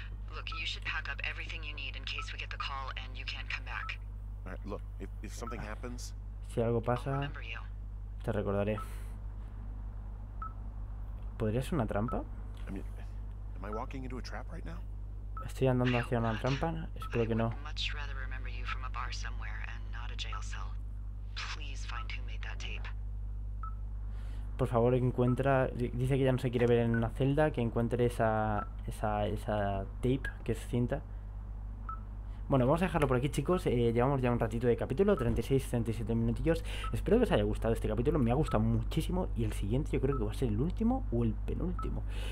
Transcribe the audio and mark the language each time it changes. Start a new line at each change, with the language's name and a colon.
English: Look, you should pack up everything you need in case we get the call and you can't come back. All right, look, if something happens,
Spanish: si algo pasa, te recordaré. ¿Podría ser una trampa?
English: I mean, am I walking into a trap right now?
Spanish: ¿Estoy andando hacia una trampa? Espero que no.
English: I would much rather remember you from a bar somewhere and not a jail cell. Please find who made that tape.
Spanish: Por favor, encuentra. Dice que ya no se quiere ver en una celda, que encuentre esa tape, que es cinta. Bueno, vamos a dejarlo por aquí, chicos. Llevamos ya un ratito de capítulo, 36-37 minutillos. Espero que os haya gustado este capítulo, me ha gustado muchísimo. Y el siguiente, yo creo que va a ser el último o el penúltimo.